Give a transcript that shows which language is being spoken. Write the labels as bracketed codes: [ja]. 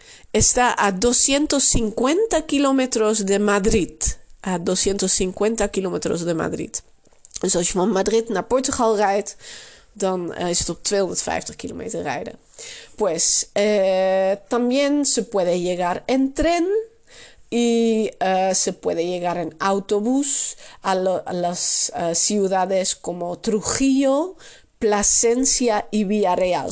[es] Está a 250 kilómetros de Madrid. A 250 kilómetros de Madrid. [nl] Dus als je van Madrid naar Portugal rijdt, dan is het op 250 kilómetros rijden. [es] Pues, también se puede llegar en tren. Y se puede llegar en autobús a las ciudades como Trujillo, Plasencia y Villarreal.